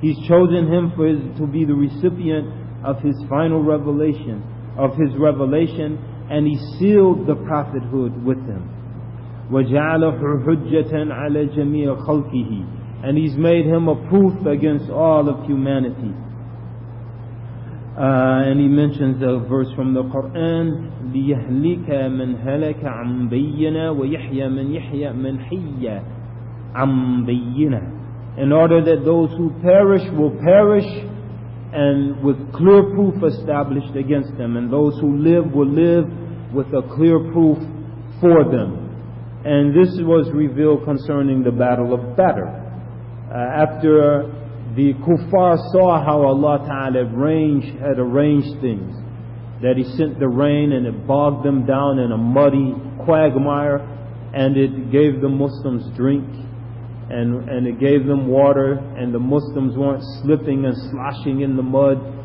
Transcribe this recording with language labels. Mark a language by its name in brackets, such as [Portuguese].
[English] He's chosen him to be the recipient of his final revelation, of his revelation, and he sealed the prophethood with him. [Arabic] وَجَعَلَهُ حُجَّةً عَلَى جَمِيعَ خَلْقِهِ. [English] And he's made him a proof against all of humanity. And he mentions a verse from the Qur'an, [Arabic] لِيَهْلِكَ مَنْ هَلَكَ عَمْ بَيِّنَا وَيَحْيَ مَنْ يَحْيَ مَنْ حِيَّ عَمْ بَيِّنَا. [English] In order that those who perish will perish, and with clear proof established against them, and those who live will live with a clear proof for them. And this was revealed concerning the Battle of Badr. After the Kufar saw how Allah Ta'ala had arranged things, that He sent the rain and it bogged them down in a muddy quagmire, and it gave the Muslims drink, and it gave them water, and the Muslims weren't slipping and sloshing in the mud,